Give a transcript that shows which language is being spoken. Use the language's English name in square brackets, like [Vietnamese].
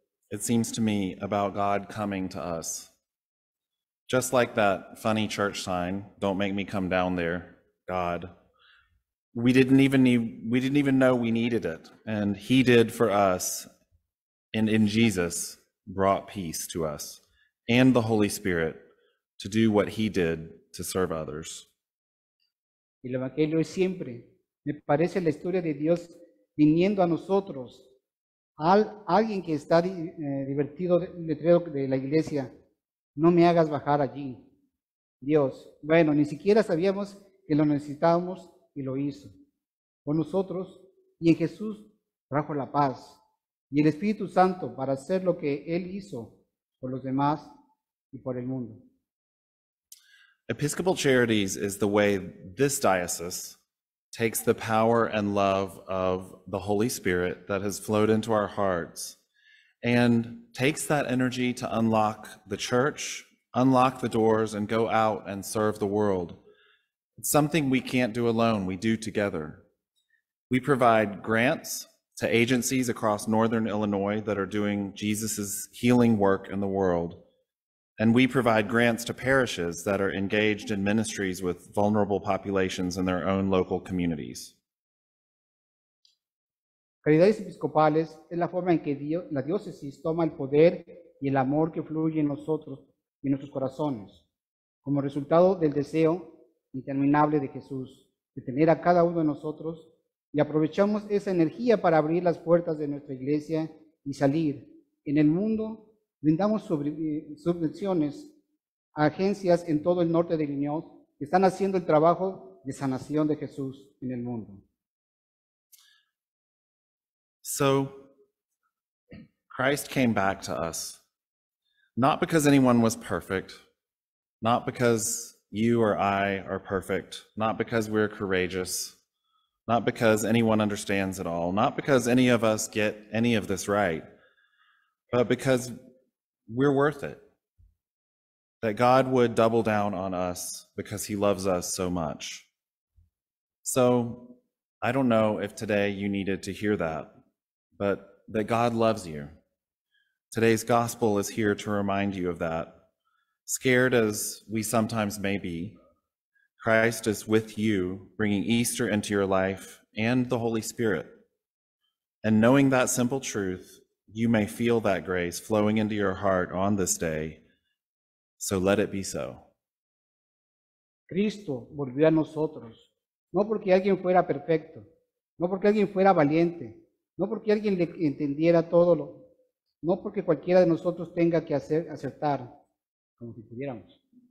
[English] It seems to me about God coming to us. Just like that funny church sign, don't make me come down there, God. We didn't even know we needed it. And he did for us, and in Jesus brought peace to us and the Holy Spirit to do what he did to serve others. [Spanish] El Evangelio es siempre, me parece la historia de Dios viniendo a nosotros. Alguien que está divertido letrero de la iglesia, no me hagas bajar allí. Dios, bueno, ni siquiera sabíamos que lo necesitábamos y lo hizo. Con nosotros y en Jesús trajo la paz y el Espíritu Santo para hacer lo que Él hizo por los demás y por el mundo. [English] Episcopal Charities is the way this diocese takes the power and love of the Holy Spirit that has flowed into our hearts and takes that energy to unlock the church, unlock the doors, and go out and serve the world. It's something we can't do alone, we do together. We provide grants to agencies across Northern Illinois that are doing Jesus's healing work in the world. And we provide grants to parishes that are engaged in ministries with vulnerable populations in their own local communities. [Spanish] Caridades episcopales es la forma en que la diócesis toma el poder y el amor que fluye en nosotros y en nuestros corazones, como resultado del deseo interminable de Jesús de tener a cada uno de nosotros, y aprovechamos esa energía para abrir las puertas de nuestra iglesia y salir en el mundo. Brindamos subvenciones a agencias en todo el norte de Illinois que están haciendo el trabajo de sanación de Jesús en el mundo. [English] So, Christ came back to us, not because anyone was perfect, not because you or I are perfect, not because we're courageous, not because anyone understands it all, not because any of us get any of this right, but because we're worth it. that God would double down on us because he loves us so much. So I don't know if today you needed to hear that, but that God loves you. Today's gospel is here to remind you of that. Scared as we sometimes may be, Christ is with you, bringing Easter into your life and the Holy Spirit. And knowing that simple truth, you may feel that grace flowing into your heart on this day. So let it be so. [Spanish] Cristo volvió a nosotros, no porque alguien fuera perfecto, no porque alguien fuera valiente, no porque alguien le entendiera todo, no porque cualquiera de nosotros tenga que acertar como si pudiéramos.